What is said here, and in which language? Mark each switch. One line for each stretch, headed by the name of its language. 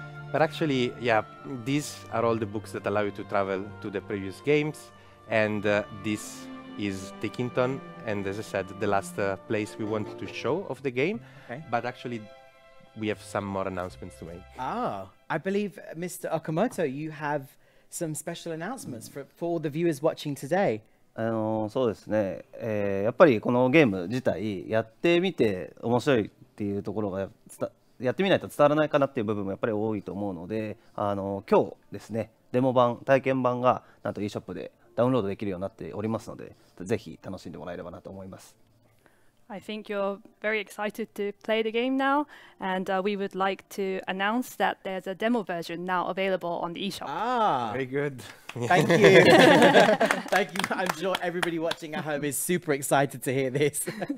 English: But actually, yeah, these are all the books that allow you to travel to the previous games, and this is Tickington, and as I said, the last place we wanted to show of the game. Okay. But actually, we have some more announcements to make. Oh, I believe, Mr. Okamoto, you have some special announcements for all the viewers watching today.
Japanese: そうですね、やっぱりこのゲーム自体やってみて面白いっていうところが やってみないと伝わらないかなっていう部分もやっぱり多いと思うので、今日ですね、デモ版、体験版がなんと e ショップでダウンロードできるようになっておりますので、ぜひ楽しんでもらえればなと思います。
English: I think you're very excited to play the game now, and we would like to announce that there's a demo version now available on the eShop. Ah, very good. Thank you. Thank you. I'm sure everybody watching at home is super excited to hear this.